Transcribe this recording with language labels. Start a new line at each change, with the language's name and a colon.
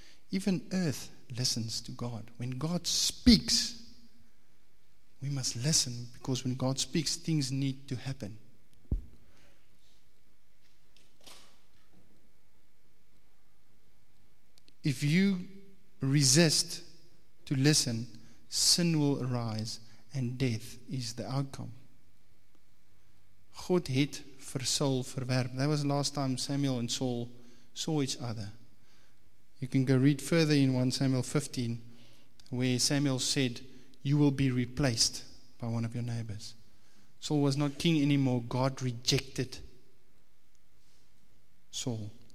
English: Even earth listens to God. When God speaks, we must listen, because when God speaks, things need to happen. If you resist to listen, sin will arise and death is the outcome.
Afrikaans: God het vir Saul verwerp.
English: That was the last time Samuel and Saul saw each other. You can go read further in 1 Samuel 15 where Samuel said, you will be replaced by one of your neighbors. Saul was not king anymore. God rejected Saul.